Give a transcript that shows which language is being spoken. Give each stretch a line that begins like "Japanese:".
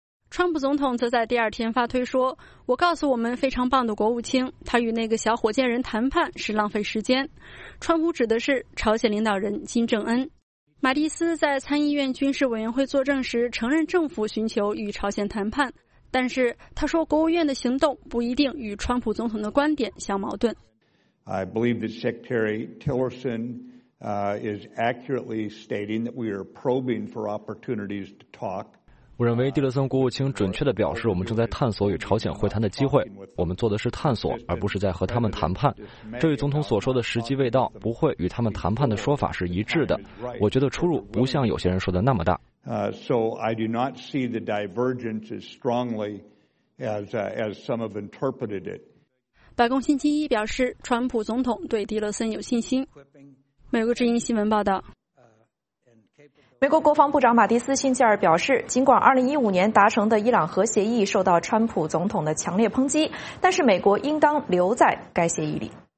Chinese: 川普总统则在第二天发推说，我告诉我们非常棒的国务卿，他与那个小火箭人谈判是浪费时间。川普指的是朝鲜领导人金正恩。马蒂斯在参议院军事委员会作证时承认政府寻求与朝鲜谈判，但是他说国务院的行动不一定与川普总统的观点相矛盾。
English: I believe that Secretary Tillerson, is accurately stating that we are probing for opportunities to talk.
Chinese: 我认为蒂勒森国务卿准确地表示，我们正在探索与朝鲜会谈的机会。我们做的是探索，而不是在和他们谈判。这与总统所说的时机未到，不会与他们谈判的说法是一致的。我觉得出入不像有些人说的那么大。
English: So I do not see the divergence as strongly as some have interpreted it.
Chinese: 白宫星期一表示，川普总统对蒂勒森有信心。美国之音新闻报道。美国国防部长马蒂斯星期二表示，尽管2015年达成的伊朗核协议受到川普总统的强烈抨击，但是美国应当留在该协议里。